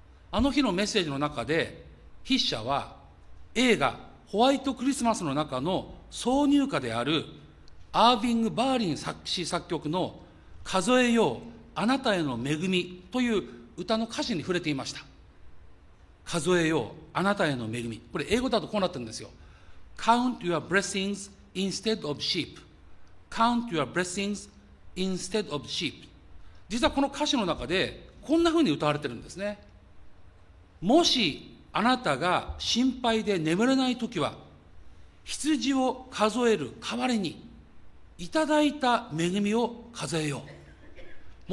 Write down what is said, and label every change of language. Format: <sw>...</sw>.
<ja>あの日のメッセージの中で筆者は映画ホワイトクリスマスの中の挿入歌であるアービング・バーリン作詞作曲の数えようあなたへの恵みという歌の歌詞に触れていました。数えようあなたへの恵み、これ英語だとこうなってるんですよ。</ja> <en>Count your blessings instead of sheep. Count your blessings instead of sheep.</en> <ja>実はこの歌詞の中でこんな風に歌われてるんですね。もしあなたが心配で眠れないときは、羊を数える代わりにいただいた恵みを数えよう。</ja>